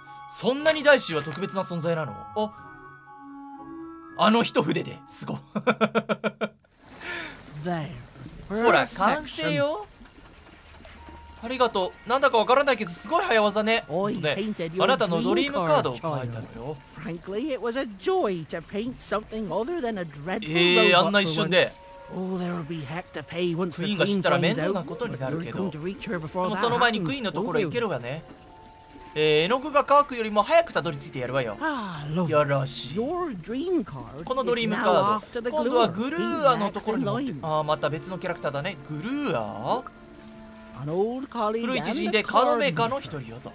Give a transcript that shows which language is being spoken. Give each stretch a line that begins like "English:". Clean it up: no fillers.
Japanese: そんなにダイシーは特別な存在なの？お、あの一筆で、すごい。ほら、完成よ。ありがとう。なんだかわからないけど、すごい早技ね。で、あなたのドリームカードを書いたのよ。
English: Frankly, it was a joy to paint something other than a dreadful robot.
Japanese: あんな一瞬で。
English: Oh, there will be heck to pay once
Japanese: クイーンが死んだら面倒なことになるけど。でもその前にクイーンのところ行けるわね。絵の具が乾くよりも早くたどり着いてやるわよ。よろしい。このドリームカード、今度はグルーアのところに持って。ああ、また別のキャラクターだね。グルーア？古い知人でカードメーカーの一人よと。